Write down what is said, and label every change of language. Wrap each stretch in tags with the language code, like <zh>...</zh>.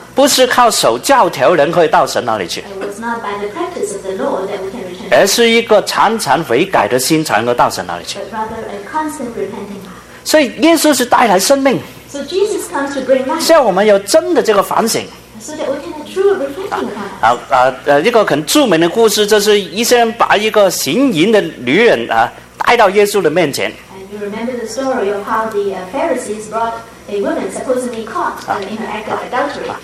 <zh>不是靠守教条人可以到神那里去。</zh> <en>It was not by the practice of the law that we can return to God.</en> <zh>而是一个常常悔改的心才能够到神那里去。</zh> <en>But rather a constant repenting heart.</en> <zh>所以耶稣是带来生命。</zh> <en>So Jesus comes to bring life.</en> <zh>叫我们有真的这个反省。</zh> <en>So that we can have true reflecting upon.</en> <zh>一个很著名的故事，就是一些人把一个行淫的女人带到耶稣的面前。</zh> <en>And you remember the story of how the Pharisees brought a woman supposedly caught in her act of adultery.</en>